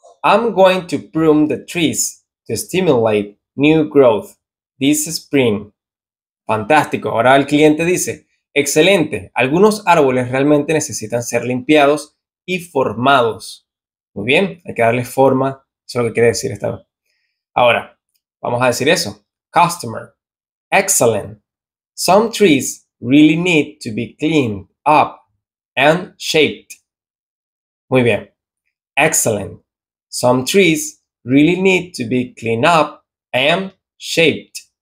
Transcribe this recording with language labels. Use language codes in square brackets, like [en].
[en] I'm going to prune the trees to stimulate new growth this spring. [es] Fantástico. Ahora el cliente dice: excelente. Algunos árboles realmente necesitan ser limpiados y formados. Muy bien. Hay que darle forma. Eso es lo que quiere decir esta vez. Ahora, vamos a decir eso. [en] Customer. Excellent. Some trees really need to be cleaned up and shaped. [es] Muy bien. [en] Excellent. Some trees really need to be cleaned up and shaped.